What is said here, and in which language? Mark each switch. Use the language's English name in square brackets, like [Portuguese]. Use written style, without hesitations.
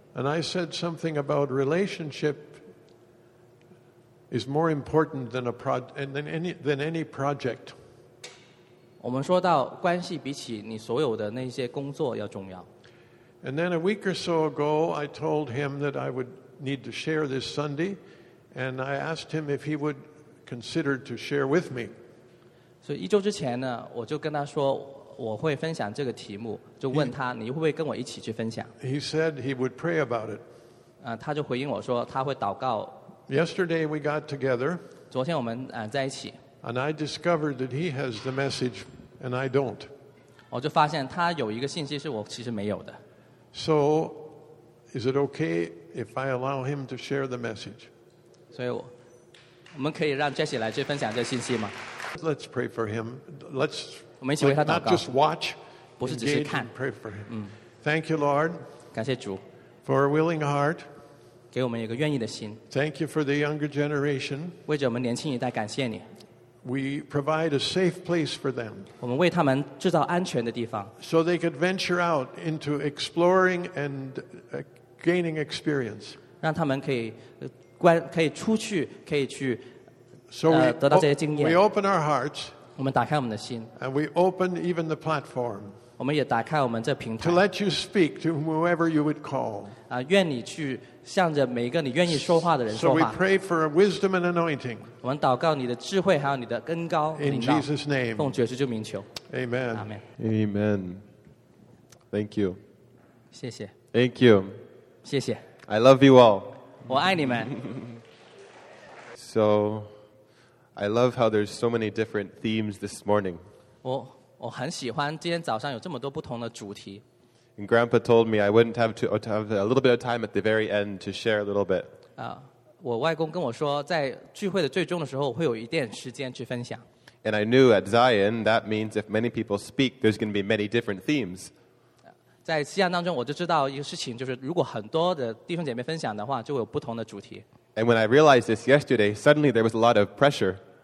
[English] And I said something about relationship is more important than any project. [Chinese] 我们说到关系比起你所有的那些工作要重要。 [English] And then a week or so ago, I told him that I would need to share this Sunday, and I asked him if he would consider to share with me. [Chinese] 所以一周之前呢，我就跟他说。我会分享这个题目，就问他你会不会跟我一起去分享。 [English] He said he would pray about it. [Chinese] 他就回应我说他会祷告。 [English] Yesterday we got together. [Chinese] 昨天我们在一起。 [English] And I discovered that he has the message and I don't. [Chinese] 我就发现他有一个信息是我其实没有的。 [English] So, is it okay if I allow him to share the message? [Chinese] 所以我们可以让 Jesse 来去分享这信息吗？ [English] Let's pray for him. Let's [Chinese] 我们一起为他祷告。 [English] Not just watch, [Chinese] 不是只是看。 [English] Pray for him. Thank you, Lord. [Chinese] 感谢主。 [English] For a willing heart, [Chinese] 给我们一个愿意的心。 [English] Thank you for the younger generation. [Chinese] 为着我们年轻一代感谢你。 [English] We provide a safe place for them. [Chinese] 我们为他们制造安全的地方。 [English] So they could venture out into exploring and gaining experience. [Chinese] 让他们可以出去，可以去得到这些经验。 [English] We open our hearts. [Chinese] 我们打开我们的心。 [English] And we open even the platform. [Chinese] 我们也打开我们这平台。 [English] To let you speak to whoever you would call. [Chinese] 愿你去向着每一个你愿意说话的人说话。 [English] So we pray for a wisdom and anointing. [Chinese] 我们祷告你的智慧还有你的恩膏。 [English] In Jesus' name. [Chinese] 奉主耶稣名求。 [English] Amen. Amen. Amen. Thank you. [Chinese] 谢谢。 [English] Thank you. [Chinese] 谢谢。 [English] I love you all. [Chinese] 我爱你们。 [English] So, I love how there's so many different themes this morning. [Chinese] 我很喜欢今天早上有这么多不同的主题。 [English] And Grandpa told me I wouldn't have a little bit of time at the very end to share a little bit. [Chinese] 我外公跟我说，在聚会的最终的时候，会有一点时间去分享。 [English] And I knew at Zion, that means if many people speak, there's going to be many different themes. [Chinese] 在西安当中，我就知道一个事情，就是如果很多的弟兄姐妹分享的话，就会有不同的主题。 [English] And when I realized this yesterday, suddenly there was a lot of pressure.